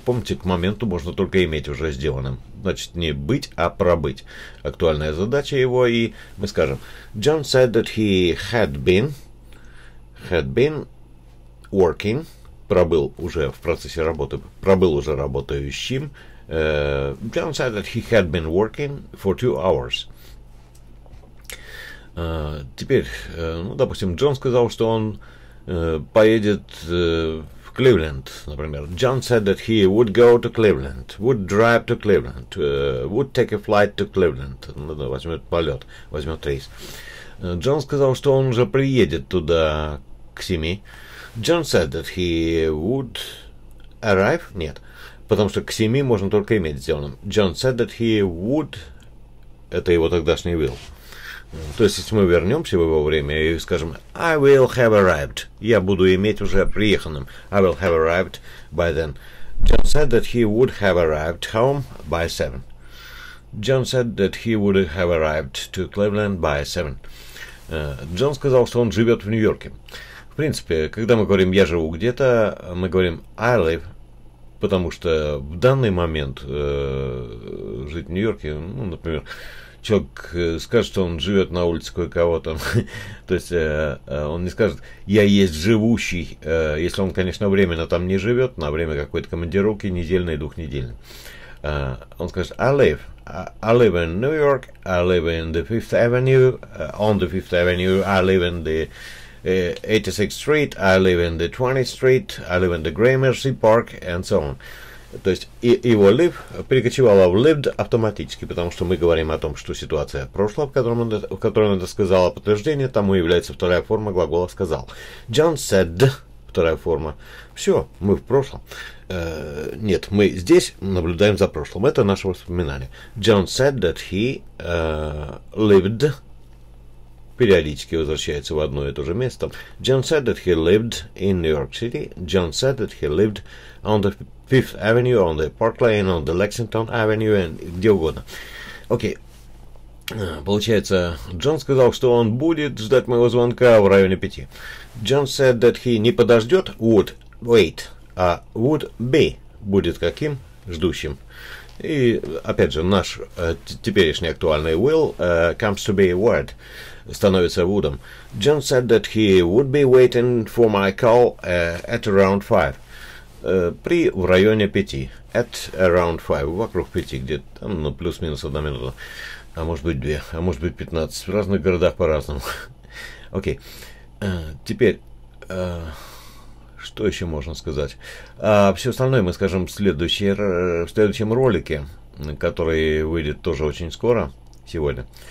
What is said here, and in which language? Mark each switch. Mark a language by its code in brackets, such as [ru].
[ru] Помните, к моменту можно только иметь уже сделанным. Значит, не быть, а пробыть. Актуальная задача его. И мы скажем, Джон [en] said that he had been working. [ru] Пробыл уже в процессе работы, пробыл уже работающим. [en] John said that he had been working for 2 hours. [ru] Теперь, допустим, Джон сказал, что он поедет в Кливленд, например. [en] John said that he would go to Cleveland, would drive to Cleveland, would take a flight to Cleveland. [ru] Ну, да, возьмет полет, возьмет рейс. Джон сказал, что он уже приедет туда к 7. [en] John said that he would arrive. [ru] Нет, потому что к 7 можно только иметь сделанным. [en] John said that he would. [ru] Это его тогдашний will. То есть, если мы вернемся в его время и скажем [en] I will have arrived. [ru] Я буду иметь уже приеханным. [en] I will have arrived by then. John said that he would have arrived home by 7. John said that he would have arrived to Cleveland by 7. [ru] John сказал, что он живет в Нью-Йорке. В принципе, когда мы говорим «я живу где-то», мы говорим [en] «I live», [ru] потому что в данный момент жить в Нью-Йорке, ну, например, человек скажет, что он живет на улице кое-кого там, то есть он не скажет «я есть живущий», если он, конечно, временно там не живет, на время какой-то командировки, недельной, двухнедельной. Он скажет [en] I live in New York, I live in the Fifth Avenue, on the Fifth Avenue, I live in the 86th Street, I live in the 20th Street, I live in the Gramercy Park, and so on. [ru] То есть, его live перекочевало в lived автоматически, потому что мы говорим о том, что ситуация прошла, в котором он это сказал, а подтверждение тому является вторая форма глагола сказал. [en] John said, [ru] вторая форма. Все, мы в прошлом. Нет, мы здесь наблюдаем за прошлым. Это наше воспоминание. [en] John said that he lived. [ru] Периодически возвращается в одно и то же место. [en] John said that he lived in New York City. John said that he lived on the Fifth Avenue, on the Park Lane, on the Lexington Avenue, and [ru] где угодно. Окей. Получается, Джон сказал, что он будет ждать моего звонка в районе 5. Джон [en] said that he [ru] не подождет [en] would wait, [ru] а [en] would be [ru] будет каким? Ждущим. И опять же, наш теперешний актуальный [en] will comes to be a word, [ru] становится would'ом. [en] Джон said that he would be waiting for my call at around 5. [ru] При в районе 5. [en] At around 5. [ru] Вокруг 5, где-то там, ну, плюс-минус 1 минута. А может быть 2, а может быть 15. В разных городах по-разному. Окей. Теперь, что еще можно сказать? Все остальное мы скажем в следующем ролике, который выйдет тоже очень скоро, сегодня.